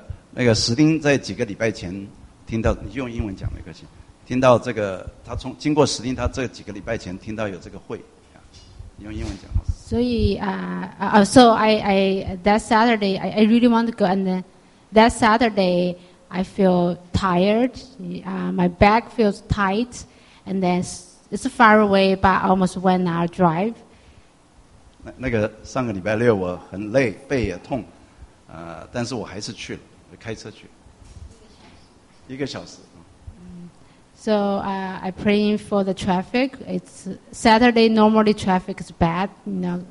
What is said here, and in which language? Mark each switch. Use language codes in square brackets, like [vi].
[zh] 那个史丁在几个礼拜前。听到你用英文讲没关系。听到这个，他从经过实践，他这几个礼拜前听到有这个会，你用英文讲。所以啊， [en] So I that Saturday I really want to go, and that Saturday I feel tired, my back feels tight, and then it's far away, but almost 1 hour drive. [zh] 那个上个礼拜六我很累，背也痛，但是我还是去了，开车去。一个小时。 [en] So I praying for the traffic. It's Saturday. Normally traffic is bad. You know.